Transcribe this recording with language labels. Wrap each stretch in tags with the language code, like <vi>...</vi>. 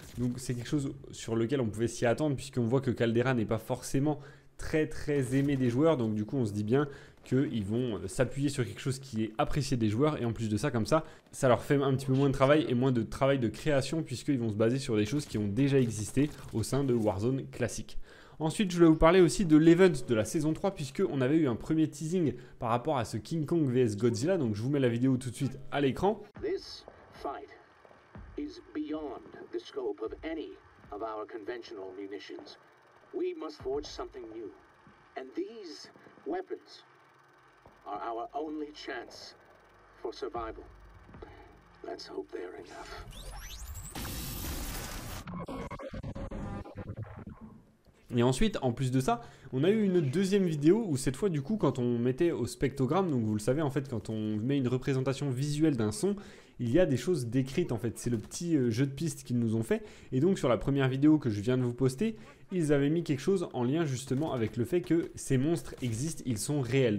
<fr>Donc c'est quelque chose sur lequel on pouvait s'y attendre, puisqu'on voit que Caldera n'est pas forcément très très aimé des joueurs, donc du coup on se dit bien qu'ils vont s'appuyer sur quelque chose qui est apprécié des joueurs, et en plus de ça, comme ça, ça leur fait un petit peu moins de travail et moins de travail de création, puisqu'ils vont se baser sur des choses qui ont déjà existé au sein de Warzone classique. Ensuite, je voulais vous parler aussi de l'event de la saison 3, puisqu'on avait eu un premier teasing par rapport à ce King Kong vs Godzilla, donc je vous mets la vidéo tout de suite à l'écran.</fr> <en>This fight is beyond the scope of any of our conventional munitions. We must forge something new, and these weapons are our only chance for survival. Let's hope they're enough.</en> <fr>Et ensuite, en plus de ça, on a eu une deuxième vidéo où cette fois, du coup, quand on mettait au spectrogramme, donc vous le savez, en fait, quand on met une représentation visuelle d'un son, il y a des choses décrites, en fait. C'est le petit jeu de piste qu'ils nous ont fait. Et donc, sur la première vidéo que je viens de vous poster, ils avaient mis quelque chose en lien, justement, avec le fait que ces monstres existent, ils sont réels.</fr>